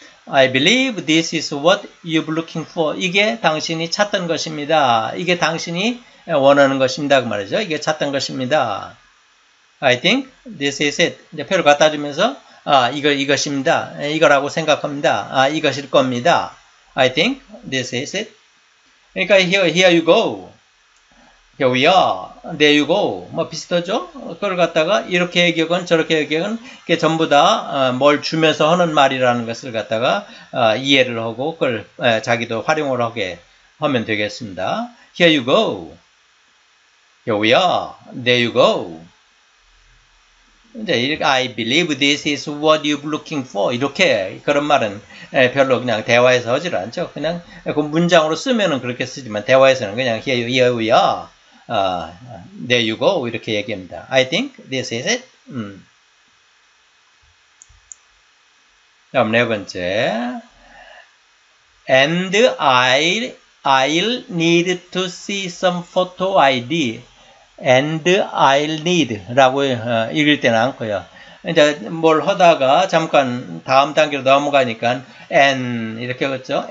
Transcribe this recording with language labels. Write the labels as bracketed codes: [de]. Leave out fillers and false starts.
[en] I believe this is what you're looking for. [ko] 이게 당신이 찾던 것입니다. 이게 당신이 원하는 것입니다. 그 말이죠. 이게 찾던 것입니다. [en] I think this is it. [ko] 이제 표를 갖다 주면서, 아, 이것입니다. 이거라고 생각합니다. 아, 이것일 겁니다. [en] I think this is it. [ko] 그러니까 [en] here you go. Here we are. There you go. [ko] 뭐 비슷하죠? 그걸 갖다가 이렇게 얘기하건 저렇게 얘기하건 그게 전부 다 뭘 주면서 하는 말이라는 것을 갖다가 이해를 하고 그걸 자기도 활용을 하게 하면 되겠습니다. [en] Here you go. Here we are. There you go. [ko] 이제 [en] I believe this is what you're looking for. [ko] 이렇게 그런 말은 별로 그냥 대화에서 하질 않죠. 그냥 그 문장으로 쓰면은 그렇게 쓰지만 대화에서는 그냥 [en] here we are. There you go. [ko] 이렇게 얘기합니다. [en] I think this is it. [ko] 다음 네 번째. [en] And I'll need to see some photo ID. And I'll need [ko] 라고 읽을 때는 않고요. 이제 뭘 하다가 잠깐 다음 단계로 넘어가니까 and 이렇게 했죠.